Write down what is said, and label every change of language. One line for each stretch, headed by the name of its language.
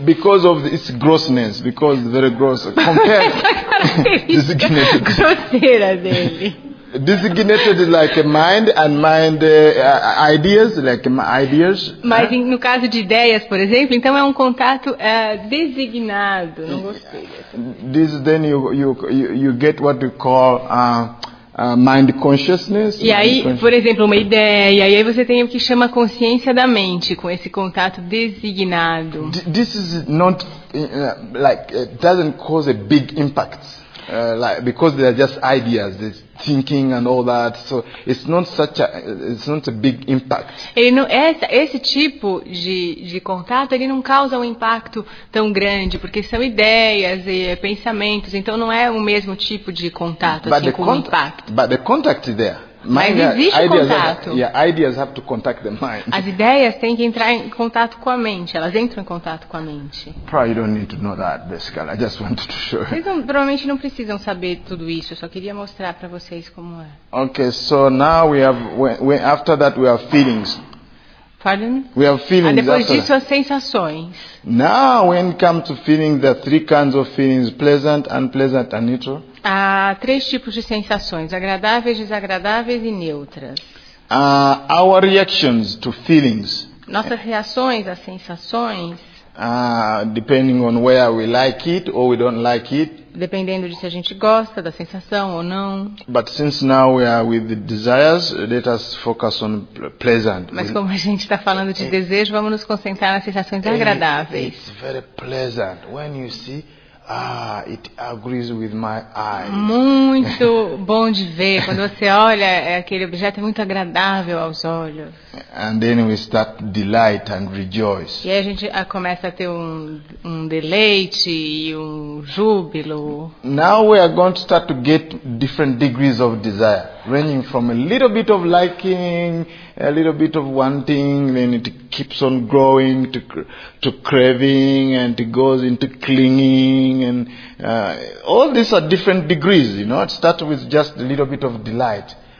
English: Because of its grossness. Because it's very gross. Compared to designated.
Portuguese: Grosseira dele.
English: Designated like a mind and mind ideas, like ideas.
Portuguese: Mas no caso de ideias, por exemplo, então é um contato designado. Não gostei.
English: This then you get what you call mind consciousness.
Portuguese: E aí, por exemplo, uma ideia, e aí você tem o que chama consciência da mente com esse contato designado.
English: This is not like it doesn't cause a big impact. Because they are just ideas, this thinking and all that, so it's not a big impact.
Portuguese: Ele não, esse tipo de contato, ele não causa um impacto tão grande, porque são ideias e pensamentos, então não é o mesmo tipo de contato,
English: but
Portuguese: assim, com impacto.
English: But the contact is there.
Portuguese: Mas existe
English: ideas
Portuguese: contato.
English: Ideas have to contact the mind.
Portuguese: As ideias têm que entrar em contato com a mente. Elas entram em contato com a mente.
English: Probably you don't need to know that, basically. I just wanted to show.
Portuguese: Vocês provavelmente não precisam saber tudo isso. Eu só queria mostrar para vocês como é.
English: Okay, so now we have. After that, we have feelings. Pardon? We have feelings.
Portuguese: Depois
English: after.
Portuguese: Disso, as sensações.
English: Now, when it comes to feelings, there are three kinds of feelings: pleasant, unpleasant, and neutral.
Portuguese: Há três tipos de sensações: agradáveis, desagradáveis e neutras.
English: Our reactions to feelings.
Portuguese: Nossas reações às sensações.
English: Depending on where we like it or we don't like it.
Portuguese: Dependendo de se a gente gosta da sensação ou não.
English: But since now we are with the desires, let us focus on pleasant.
Portuguese: Mas como a gente está falando de desejo, vamos nos concentrar nas sensações agradáveis.
English: It's very pleasant when you see. It agrees with my eyes.
Portuguese: Muito bom de ver. Quando você olha, aquele objeto é muito agradável aos olhos.
English: And then we start delight and rejoice.
Portuguese: E aí a gente começa a ter um deleite e um júbilo.
English: Now we are going to start to get different degrees of desire, ranging from a little bit of liking, a little bit of wanting, then it keeps on growing to craving, and it goes into clinging, and all these are different degrees, you know. It starts with just a little bit of delight.